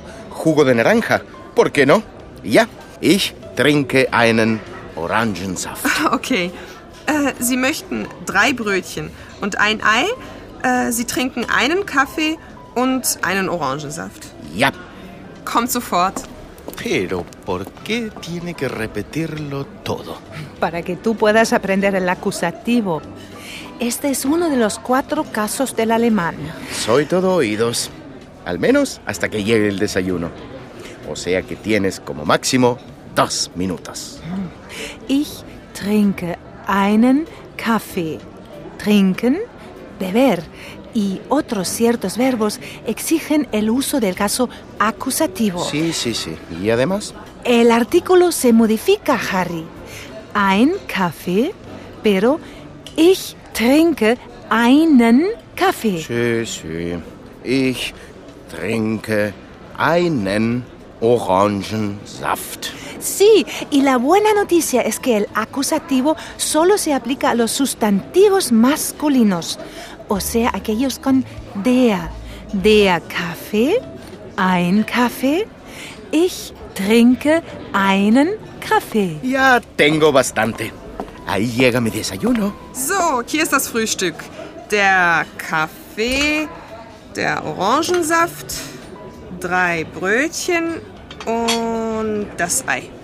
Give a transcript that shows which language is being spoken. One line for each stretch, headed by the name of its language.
Spanish: Jugo de naranja. ¿Por qué no?
German: Ja, ich trinke einen Orangensaft. Okay. Sie möchten drei Brötchen und ein Ei. Sie trinken einen Kaffee und einen Orangensaft. Ja. Kommt sofort.
Spanish: Pero por qué tiene que repetirlo todo? Para que tú puedas aprender el acusativo. Este es uno de los cuatro casos del alemán. Soy todo oídos. Al menos hasta que llegue el desayuno. O sea que tienes como máximo 2 minutos.
German: Ich trinke einen Kaffee. Trinken, beber.
Spanish: Y otros ciertos verbos exigen el uso del caso acusativo. Sí, sí, sí. ¿Y además? El artículo se modifica, Harry.
German: Ein Kaffee, pero ich trinke einen Kaffee.
Spanish: Sí, sí.
German: Ich trinke einen Orangensaft.
Spanish: Sí, y la buena noticia es que el acusativo solo se aplica a los sustantivos masculinos, o sea, aquellos con der.
German: Der Kaffee, ein Kaffee, ich trinke einen Kaffee.
Spanish: Ya tengo bastante. Ahí llega mi desayuno.
German: So, hier ist das Frühstück. Der Kaffee, der Orangensaft, 3 Brötchen und das Ei.